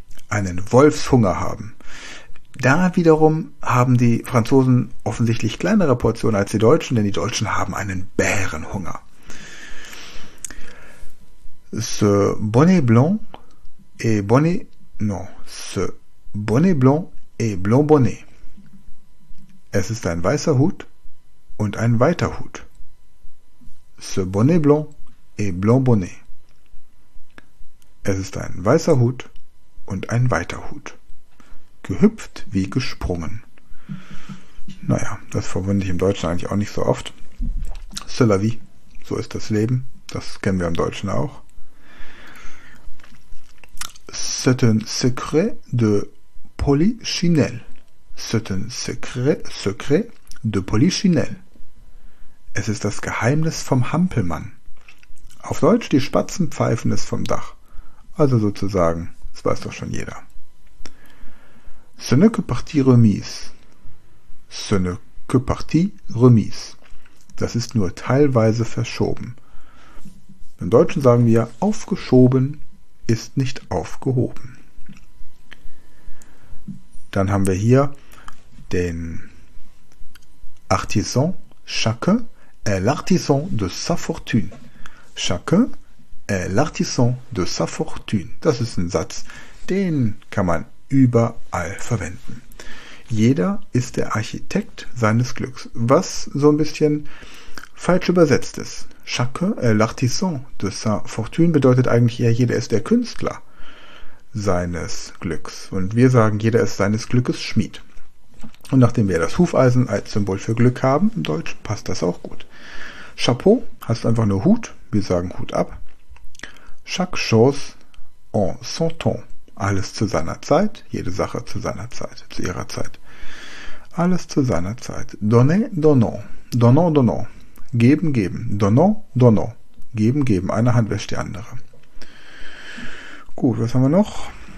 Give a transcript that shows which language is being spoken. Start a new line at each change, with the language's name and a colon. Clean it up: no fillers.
German: Einen Wolfshunger haben. Da wiederum haben die Franzosen offensichtlich kleinere Portionen als die Deutschen, denn die Deutschen haben einen Bärenhunger.
French: Ce bonnet blanc et bonnet. Non, ce bonnet blanc et blanc bonnet.
German: Es ist ein weißer Hut und ein weiter Hut.
French: Ce bonnet blanc et blanc bonnet.
German: Es ist ein weißer Hut und ein weiter Hut. Gehüpft wie gesprungen. Das verwende ich im Deutschen eigentlich auch nicht so oft.
French: C'est la vie.
German: So ist das Leben. Das kennen wir im Deutschen auch.
French: C'est un secret de Polichinelle. C'est un secret de Polichinelle.
German: Es ist das Geheimnis vom Hampelmann. Auf Deutsch die Spatzen pfeifen es vom Dach. Also sozusagen, das weiß doch schon jeder.
French: Ce n'est que partie remise. Ce n'est que partie remise.
German: Das ist nur teilweise verschoben. Im Deutschen sagen wir, aufgeschoben ist nicht aufgehoben. Dann haben wir hier den Artisan.
French: Chacun est l'artisan de sa fortune. Chacun L'artisan de sa fortune.
German: Das ist ein Satz, den kann man überall verwenden. Jeder ist der Architekt seines Glücks. Was so ein bisschen falsch übersetzt ist.
French: L'artisan de sa fortune
German: bedeutet eigentlich eher, jeder ist der Künstler seines Glücks. Und wir sagen, jeder ist seines Glückes Schmied. Und nachdem wir das Hufeisen als Symbol für Glück haben, im Deutsch passt das auch gut. Chapeau heißt einfach nur Hut. Wir sagen Hut ab.
French: Chaque chose en son temps.
German: Alles zu seiner Zeit. Jede Sache zu seiner Zeit. Zu ihrer Zeit. Alles zu seiner Zeit.
French: Donner, donner. Donner, donner.
German: Geben, geben.
French: Donner, donner.
German: Geben, geben. Eine Hand wäscht die andere. Gut, was haben wir noch?